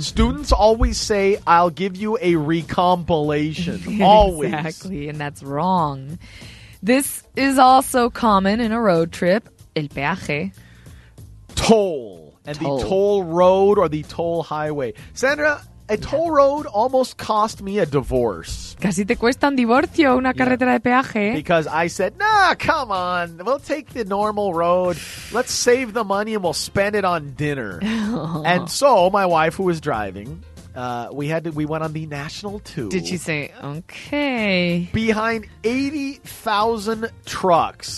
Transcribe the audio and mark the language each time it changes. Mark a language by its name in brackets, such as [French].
[English] Students always say, I'll give you a recompilation. Always. Exactly, and that's wrong. This is also common in a road trip. [Spanish] El peaje. [English] Toll. And toll. The toll road or the toll highway. Sandra, a toll road almost cost me a divorce. [Spanish] Casi te cuesta un divorcio, una carretera de peaje. [English] Because I said, nah, come on. We'll take the normal road. Let's save the money and we'll spend it on dinner. And so my wife, who was driving, We went on the national tour. Did you say okay? Behind 80,000 trucks.